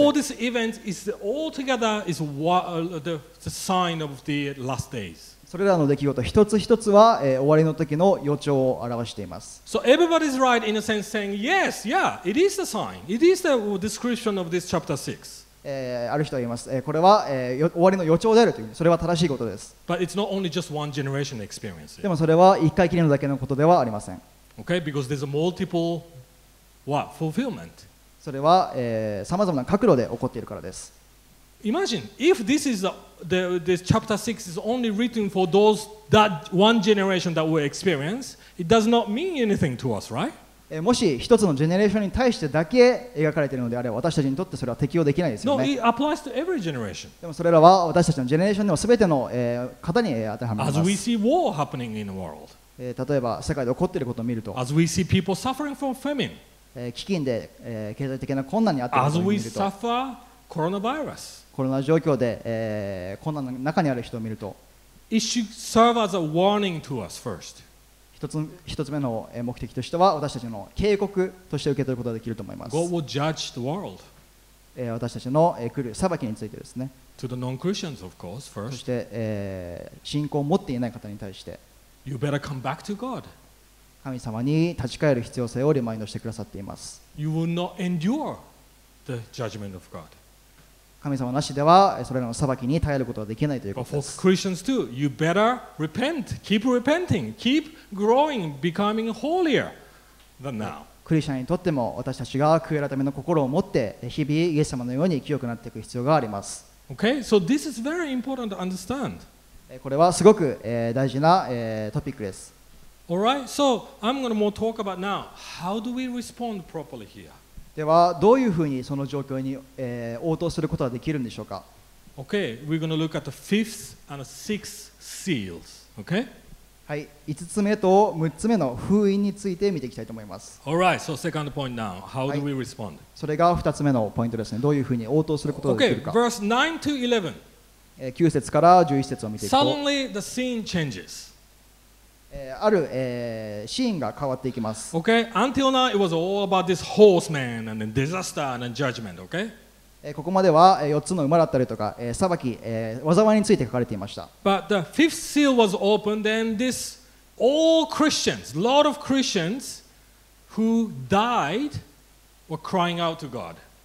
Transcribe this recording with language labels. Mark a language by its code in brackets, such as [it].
[en] All these events is all together is the sign of the last days. [ja] それらの出来事一つ一つは、終わりの時の予兆を表しています。 [en] So everybody is right in a sense saying yes, yeah, it is a sign. It is the description of this chapter 6. [ja] ある人は言います、これは、終わりの予兆であるというそれは正しいことです [en] But it's not only just one generation experience. [ja] でもそれは一回きりのだけのことではありません [en] okay, because there's a multiple, what, fulfillment. [ja] それは、さまざまな角度で起こっているからです [en] Imagine if this is this chapter 6 is only written for those that one generation that will experience it does not mean anything to us, right? [ja] もし一つのジェネレーションに対してだけ描かれているのであれば私たちにとってそれは適用できないですよね [en] No, it applies to every generation. [ja] でもそれらは私たちのジェネレーションでも全ての方に当てはまります [en] As we see war happening in the world. [ja] 例えば世界で起こっていることを見ると [en] As we see people suffering from famine. [ja] 飢饉で経済的な困難にあっていることを見ると [en] As we suffer coronavirus. [ja] コロナ状況で困難の中にある人を見ると [en] It should serve as a warning to us first. [ja] 一つ目の目的としては私たちの警告として受け取ることができると思います [en] God will judge the world. [ja] 私たちの来る裁きについてですね [en] to the non-Christians, of course, first. [ja] そして、信仰を持っていない方に対して [en] you better come back to God. [ja] 神様に立ち返る必要性をリマインドしてくださっています [en] you will not endure the judgment of God. [ja] 神様なしではそれらの裁きに耐えることはできないということです [en] But for Christians too, you better repent, keep repenting, keepGrowing, becoming holier than now. [ja] クリスチャンにとっても私たちが悔い改めの心を持って日々イエス様のように清くなっていく必要があります。 [en] Okay, so this is very important to understand. [ja] これはすごく大事なトピックです。 [en] All right, so I'm going to more talk about now. How do we respond properly here? [ja] ではどういうふうにその状況に応答することができるんでしょうか? [en] Okay, we're going to look at the fifth and sixth seals. Okay? [ja] はい、5つ目と6つ目の封印について見ていきたいと思います。 [en] All right, so second point now. How do we respond?、は [ja] い、それが2つ目のポイントですね。どういうふうに応答することができるか。 [en] Okay, verse 9 to 11. [ja] 9節から11節を見ていくと。 [en] Suddenly the scene changes. [ja] ある、シーンが変わっていきます。 [en] Okay, until now it was all about this horseman and then disaster and then judgment, okay? [ja] ここまでは4つの馬だったりとか裁き災いについて書かれていました [en] But the fifth seal was opened and this all Christians, lot of Christians who died were crying out to God